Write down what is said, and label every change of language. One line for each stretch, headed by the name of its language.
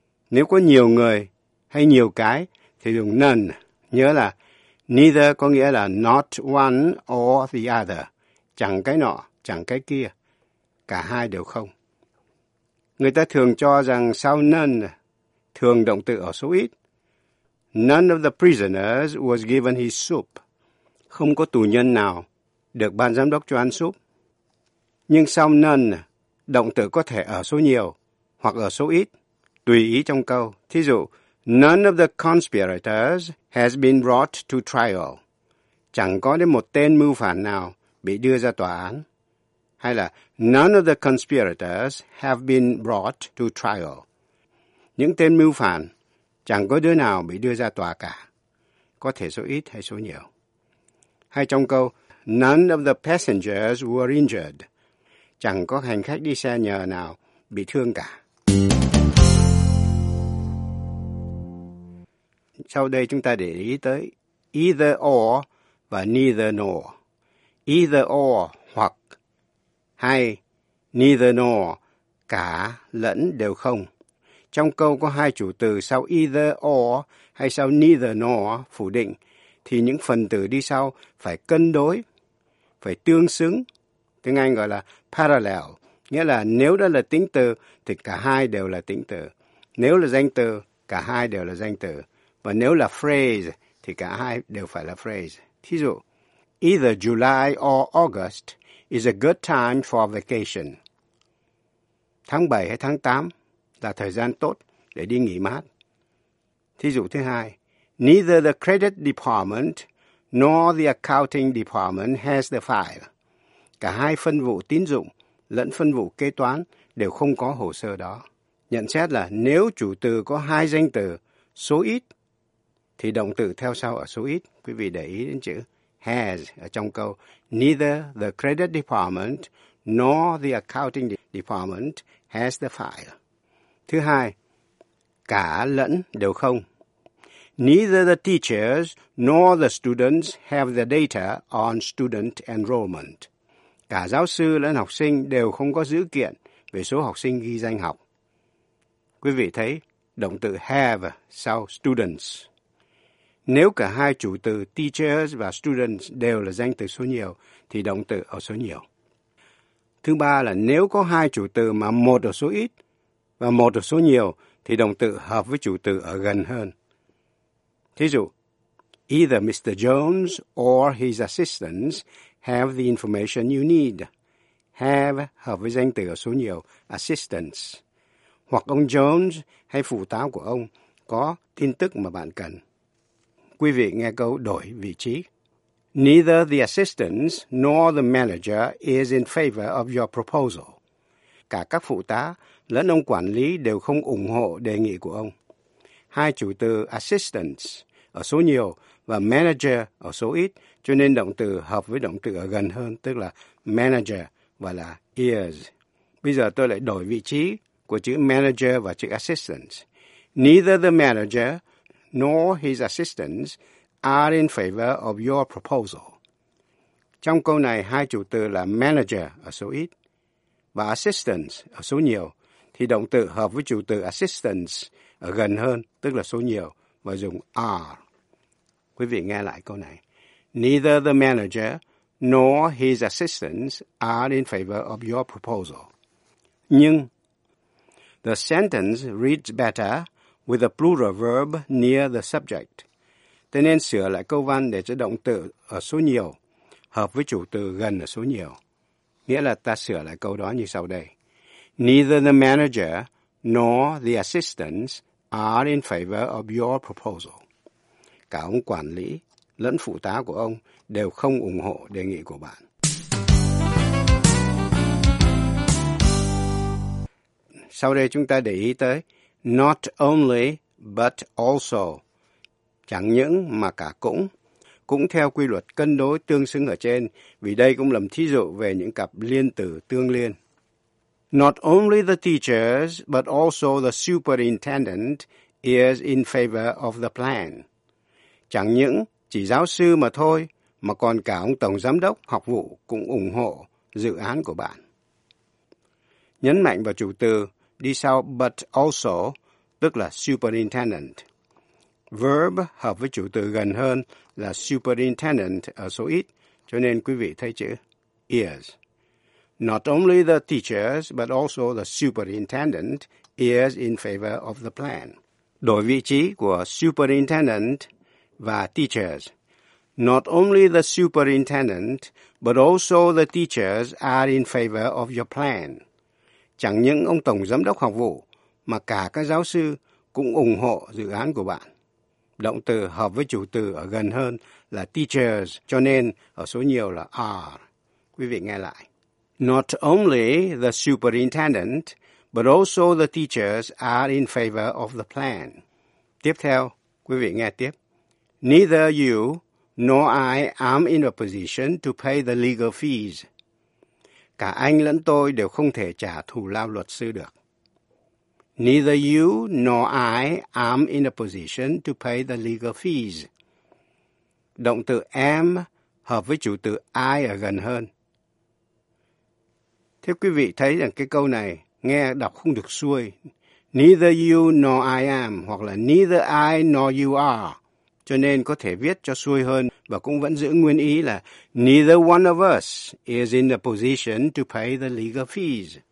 Vietnamese: Nếu có nhiều người hay nhiều cái thì dùng none. Nhớ là neither có nghĩa là
English: not one or the other,
Vietnamese: chẳng cái nọ. Chẳng cái kia, cả hai đều không. Người ta thường cho rằng sau none, thường động từ ở số ít.
English: None of the prisoners was given his soup.
Vietnamese: Không có tù nhân nào được ban giám đốc cho ăn súp. Nhưng sau none, động từ có thể ở số nhiều hoặc ở số ít, tùy ý trong câu. Thí dụ,
English: none of the conspirators has been brought to trial.
Vietnamese: Chẳng có đến một tên mưu phản nào bị đưa ra tòa án. Hay là
English: none of the conspirators have been brought to trial.
Vietnamese: Những tên mưu phản chẳng có đứa nào bị đưa ra tòa cả. Có thể số ít hay số nhiều. Hay trong câu
English: none of the passengers were injured.
Vietnamese: Chẳng có hành khách đi xe nhờ nào bị thương cả. Sau đây chúng ta để ý tới either or và neither nor. Either or hoặc hay neither nor, cả lẫn đều không. Trong câu có hai chủ từ sau either or hay sau neither nor phủ định, thì những phần từ đi sau phải cân đối, phải tương xứng tiếng Anh gọi là parallel, nghĩa là nếu đó là tính từ thì cả hai đều là tính từ, nếu là danh từ cả hai đều là danh từ, và nếu là phrase thì cả hai đều phải là phrase. Thí dụ,
English: either July or August is a good time for vacation.
Vietnamese: Tháng 7 hay tháng 8 là thời gian tốt để đi nghỉ mát. Thí dụ thứ hai,
English: neither the credit department nor the accounting department has the file.
Vietnamese: Cả hai phân vụ tín dụng lẫn phân vụ kế toán đều không có hồ sơ đó. Nhận xét là nếu chủ từ có hai danh từ, số ít, thì động từ theo sau ở số ít. Quý vị để ý đến chữ
English: has
Vietnamese: ở trong câu,
English: neither the credit department nor the accounting department has the file.
Vietnamese: Thứ hai, cả lẫn đều không.
English: Neither the teachers nor the students have the data on student enrollment.
Vietnamese: Cả giáo sư lẫn học sinh đều không có dữ kiện về số học sinh ghi danh học. Quý vị thấy động từ have sau students. Nếu cả hai chủ từ teachers và students đều là danh từ số nhiều, thì động từ ở số nhiều. Thứ ba là nếu có hai chủ từ mà một ở số ít và một ở số nhiều, thì động từ hợp với chủ từ ở gần hơn. Thí dụ,
English: either Mr. Jones or his assistants have the information you need.
Vietnamese: Have hợp với danh từ ở số nhiều, assistants. Hoặc ông Jones hay phụ tá của ông có tin tức mà bạn cần. Quý vị nghe câu đổi vị trí.
English: Neither the assistants nor the manager is in favor of your proposal.
Vietnamese: Cả các phụ tá lẫn ông quản lý đều không ủng hộ đề nghị của ông. Hai chủ từ assistants ở số nhiều và manager ở số ít, cho nên động từ hợp với động từ ở gần hơn, tức là manager và là is. Bây giờ tôi lại đổi vị trí của chữ manager và chữ assistants.
English: Neither the manager nor his assistants are in favor of your proposal.
Vietnamese: Trong câu này, hai chủ từ là manager ở số ít và assistants ở số nhiều, thì động từ hợp với chủ từ assistants ở gần hơn, tức là số nhiều, và dùng are. Quý vị nghe lại câu này.
English: Neither the manager nor his assistants are in favor of your proposal.
Vietnamese: Nhưng,
English: the sentence reads better with a plural verb near the subject.
Vietnamese: Thế nên sửa lại câu văn để cho động từ ở số nhiều hợp với chủ từ gần ở số nhiều. Nghĩa là ta sửa lại câu đó như sau đây. Neither the manager nor the assistants are in favor of your proposal. Cả ông quản lý lẫn phụ tá của ông đều không ủng hộ đề nghị của bạn. Sau đây chúng ta để ý tới not only but also. Chẳng những mà cả cũng. Cũng theo quy luật cân đối tương xứng ở trên, vì đây cũng là một thí dụ về những cặp liên từ tương liên.
English: Not only the teachers, but also the superintendent is in favor of the plan.
Vietnamese: Chẳng những chỉ giáo sư mà thôi, mà còn cả ông tổng giám đốc học vụ cũng ủng hộ dự án của bạn. Nhấn mạnh vào chủ từ đi sau but also, tức là superintendent. Verb hợp với chủ từ gần hơn là superintendent ở số ít, cho nên quý vị thấy chữ is.
English: Not only the teachers, but also the superintendent is in favor of the plan.
Vietnamese: Đổi vị trí của superintendent và teachers.
English: Not only the superintendent, but also the teachers are in favor of your plan.
Vietnamese: Chẳng những ông tổng giám đốc học vụ, mà cả các giáo sư cũng ủng hộ dự án của bạn. Động từ hợp với chủ từ ở gần hơn là teachers, cho nên ở số nhiều là are. Quý vị nghe lại.
English: Not only the superintendent, but also the teachers are in favor of the plan.
Vietnamese: Tiếp theo, quý vị nghe tiếp.
English: Neither you nor I am in a position to pay the legal fees.
Vietnamese: Cả anh lẫn tôi đều không thể trả thù lao luật sư được.
English: Neither you nor I am in a position to pay the legal fees.
Vietnamese: Động từ am hợp với chủ từ I ở gần hơn. Thế quý vị thấy rằng cái câu này nghe đọc không được xuôi.
English: Neither you nor I am,
Vietnamese: hoặc là
English: neither I nor you are.
Vietnamese: cho nên có thể viết cho xuôi hơn và cũng vẫn giữ nguyên ý là
English: neither one of us is in a position to pay the legal fees.